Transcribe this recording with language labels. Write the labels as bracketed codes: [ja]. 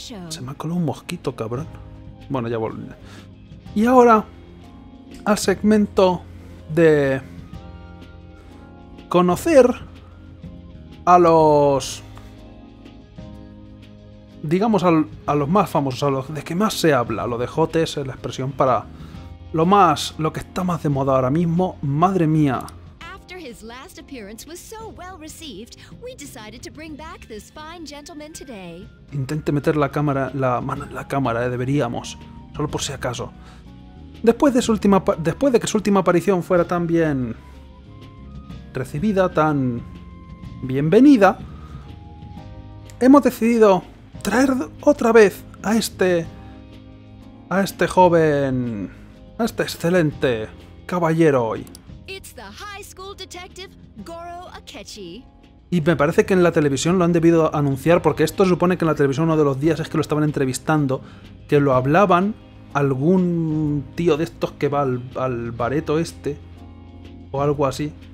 [es] Se me ha colado un mosquito, cabrón. Bueno, ya volví. Y ahora, al segmento de conocer a los, digamos, a los más famosos, a los de que más se habla. Lo de Jotes es la expresión para lo más, lo que está más de moda ahora mismo. Madre mía. [en] His last appearance was so well received, we decided to bring back this fine gentleman today. [es] Intente meter la cámara, la mano en la cámara, deberíamos, solo por si acaso. Después de que su última aparición fuera tan bien recibida, tan bienvenida, hemos decidido traer otra vez a este joven, a este excelente caballero hoy. [en] It's the high school detective Goro Akechi. [es] Y me parece que en la televisión lo han debido anunciar, porque esto supone que en la televisión uno de los días es que lo estaban entrevistando, que lo hablaban algún tío de estos que va al bareto este, o algo así.